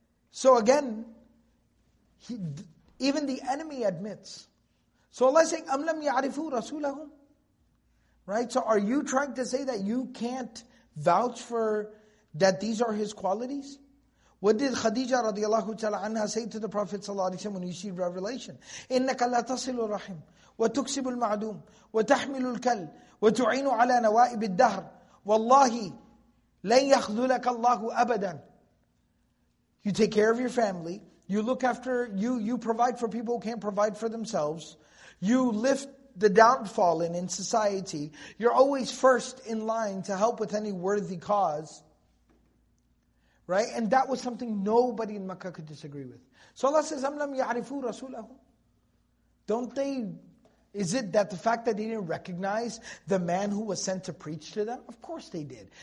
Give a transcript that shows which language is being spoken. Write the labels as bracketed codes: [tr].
[en] So again, even the enemy admits. So Allah is saying, [ar] أَمْ لَمْ يَعْرِفُوا رَسُولَهُمْ [en] Right? So are you trying to say that you can't vouch for that these are his qualities? What did Khadija radiallahu ta'ala anha say to the Prophet sallallahu alayhi wa sallam when he received revelation? [ar] إِنَّكَ لَا تَصِلُ الرَّحِمْ وَتُكْسِبُ الْمَعْدُومِ وَتَحْمِلُ الْكَلْ وَتُعِينُ عَلَى نَوَائِبِ الدَّهْرِ وَاللَّهِ لَنْ يَخْذُلَكَ اللَّهُ أَبَدًا [en] You take care of your family. You look after, you provide for people who can't provide for themselves. You lift the downfallen in society. You're always first in line to help with any worthy cause. Right? And that was something nobody in Makkah could disagree with. So Allah says, [ar] أَمْ لَمْ يَعْرِفُوا رَسُولَهُ [en] Don't they, is it that the fact that they didn't recognize the man who was sent to preach to them? Of course they did.